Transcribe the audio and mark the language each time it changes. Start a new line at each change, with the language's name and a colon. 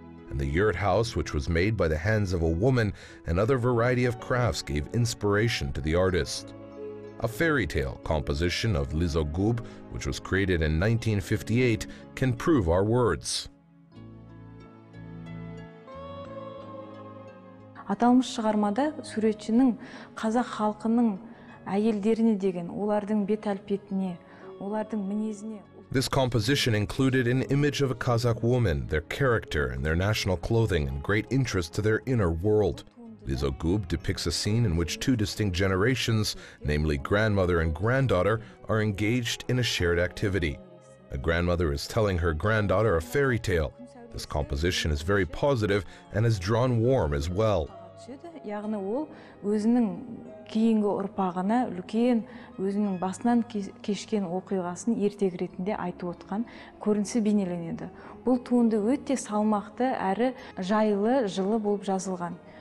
English: And the yurt house, which was made by the hands of a woman, and other variety of crafts gave inspiration to the artist. A fairy tale composition of Lizogub, which was created in 1958, can prove our words.
Kazakh: Аталмыш шығармада суретшінің қазақ халқының әйелдеріне деген, олардың бет әлпетіне, олардың мінезіне.
English: This composition included an image of a Kazakh woman, their character and their national clothing and great interest to their inner world. Lizogub depicts a scene in which two distinct generations, namely grandmother and granddaughter, are engaged in a shared activity. A grandmother is telling her granddaughter a fairy tale. This composition is very positive and is drawn warm as well.
Kazakh: Яғни ол өзінің кейінгі ұрпағына үлкен өзінің басынан кешкен оқиғасын ертек ретінде айтып отқан көрінісі бейнеленеді. Бұл туынды өте салмақты әрі жайлы, жылы болып жазылған.